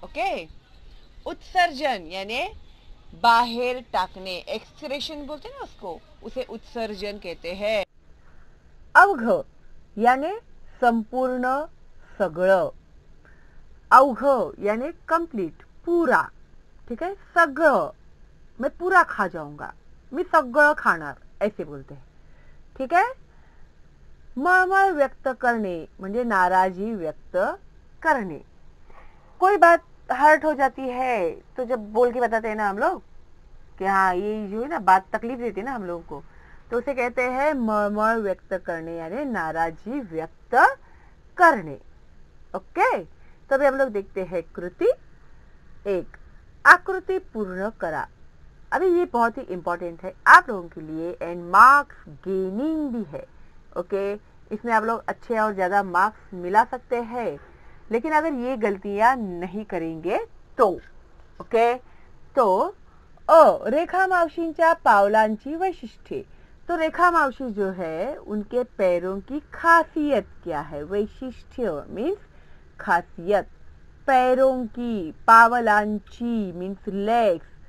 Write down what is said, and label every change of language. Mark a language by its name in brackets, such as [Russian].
[Hindi] Okay, उत्सर्जन यानी बाहर टाकने, एक्सक्रेशन बोलते ना उसको, उसे उत्सर्जन कहते हैं. [Marathi] अवघ यानी संपूर्ण, सगळ. [Hindi] अवघ यानी कंप्लीट, पूरा. ठीक है, सगळ, मैं पूरा खा जाऊंगा, [Marathi] मैं सगळ खाणार, [Hindi] ऐसे बोलते हैं. [Marathi] ठीक है, मळमळ व्यक्त करणे म्हणजे नाराजी व्यक्त करणे. [Hindi] कोई बात हर्ट हो जाती है तो जब बोल के बताते हैं ना हम लोग कि हाँ ये जो है ना बात तकलीफ देती है ना हम लोगों को, तो उसे कहते हैं मळमळ व्यक्त करणे यानी नाराजी व्यक्त करणे. ओके, तो अभी हम लोग देखते हैं कृति. एक, [Marathi] आकृति पूर्ण करा. [Hindi] अभी ये बहुत ही इंपॉर्टेंट है आप लोगों के लिए एंड मार्क्स गेनिंग भी है. ओके, इसमें आप लोग अच्छे और ज्यादा मार्क्स मिला सकते हैं, लेकिन अगर ये गलतियां नहीं करेंगे तो. [Marathi] ओके, तो ओ रेखा मावशींच्या पावलांची वैशिष्ट्ये. [Hindi] तो रेखा मावशी जो है उनके पैरों की खासियत क्या है, वैशिष्ट्य मीन्स खासियत. पैरों की, पावलांची मीन्स लेग्स.